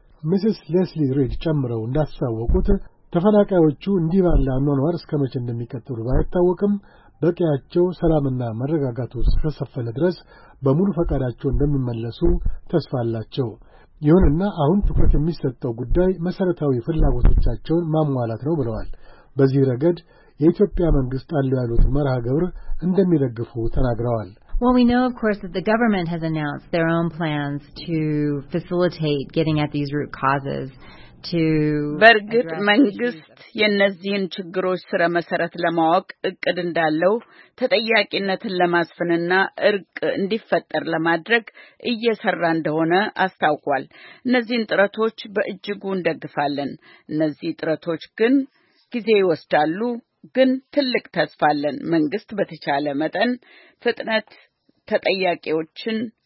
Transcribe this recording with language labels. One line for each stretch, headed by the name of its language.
Amharic: ሚስስ ሌስሊ ሪድ ጨምረው እንዳሳወቁት ተፈናቃዮቹ እንዲባላ ኖኖር እስከመቼ እንደሚቀጥሉ ባይታወቅም በቂያቸው ሰላምና መረጋጋት ውስጥ ከሰፈነ ድረስ በሙሉ ፈቃዳቸው እንደሚመለሱ ተስፋ አላቸው። ይሁንና አሁን ትኩረት የሚሰጠው ጉዳይ መሰረታዊ ፍላጎቶቻቸውን ማሟላት ነው ብለዋል። በዚህ ረገድ የኢትዮጵያ መንግስት አለው ያሉት መርሃ ግብር እንደሚደግፉ ተናግረዋል።
English: Well, we know, of course, that the government has announced their own plans to facilitate getting at these root causes to
Amharic: በርግጥ መንግስት የነዚህን ችግሮች ስረ መሰረት ለማወቅ እቅድ እንዳለው ተጠያቂነትን ለማስፈንና እርቅ እንዲፈጠር ለማድረግ እየሰራ እንደሆነ አስታውቋል። እነዚህን ጥረቶች በእጅጉ እንደግፋለን። እነዚህ ጥረቶች ግን ጊዜ ይወስዳሉ። ግን ትልቅ ተስፋ አለን። መንግስት በተቻለ መጠን ፍጥነት ተጠያቂዎችን